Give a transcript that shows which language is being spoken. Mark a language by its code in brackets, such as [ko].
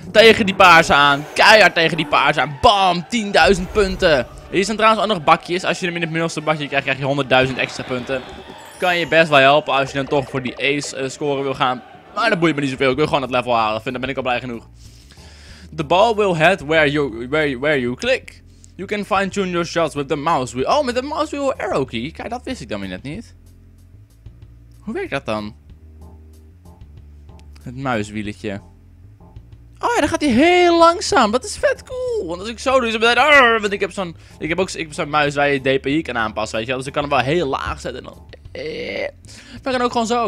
[nl] Tegen die paars aan. Keihard tegen die paars aan. Bam, 10.000 punten. Hier zijn trouwens ook nog bakjes. Als je hem in het middelste bakje krijgt, krijg je 100.000 extra punten. Kan je best wel helpen als je dan toch voor die ace score wil gaan. Maar dat boeit me niet zoveel. Ik wil gewoon het level halen. Dan ben ik al blij genoeg. [en] The ball will head where you click. You can fine tune your shots with the mouse wheel. [nl] Oh, met de mouse wheel arrow key. Kijk, dat wist ik dan weer net niet. Hoe werkt dat dan? Het muiswieletje. Oh ja, dan gaat hij heel langzaam. Dat is vet cool. Want als ik zo doe, is het meteen... Want ik heb zo'n... Ik heb zo'n muis waar je DPI kan aanpassen, weet je wel. Dus ik kan hem wel heel laag zetten. En dan... We gaan ook gewoon zo.